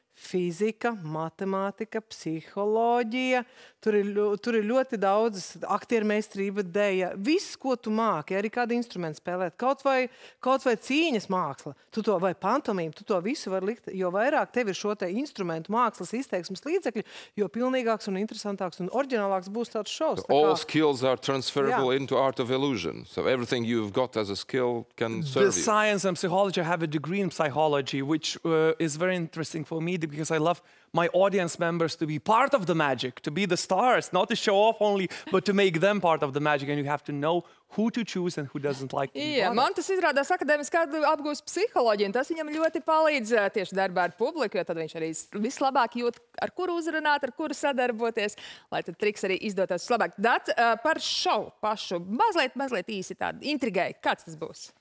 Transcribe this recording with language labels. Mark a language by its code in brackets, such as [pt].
[lv] Fizika, matemātika, psiholoģija, tur ir ļoti daudz aktiermeistrība, deja. Viss, ko tu māki, arī kādu instrumentu spēlēt, kaut vai cīņas māksla, tu to, vai pantomīm, tu to visu var likt, jo vairāk tev ir šo te instrumentu mākslas izteiksmes līdzekļu, jo pilnīgāks un interesantāks un oriģinālāks būs tāds šovs. Tā kā... [en] All skills are transferable into art of illusion, so everything you've got as a skill can serve you. The science and psychology have a degree in psychology, which is very interesting for me. Because I love my audience members to be part of the magic, to be the stars, not to show off only, but to make them part of the magic. And you have to know who to choose and who doesn't like to be part of it. [lv] Man tas izrādās akadēmiski kādu apgūst psiholoģiju, un tas viņam ļoti palīdz tieši darbā ar publiku, jo tad viņš arī vislabāk jūt, ar kuru uzrunāt, ar kuru sadarboties, lai tad triks arī izdotās vislabāk. Dats, par šovu pašu, mazliet īsi tādu intrigai, kāds tas būs?